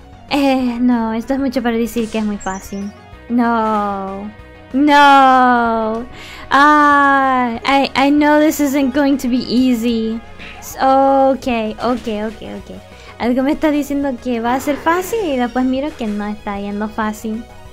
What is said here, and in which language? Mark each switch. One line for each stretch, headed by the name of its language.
Spanish: No, esto es mucho para decir que es muy fácil. No.
English: I know this isn't going to be easy. Okay.
Spanish: Algo me está diciendo que va a ser fácil y después miro que no está yendo fácil.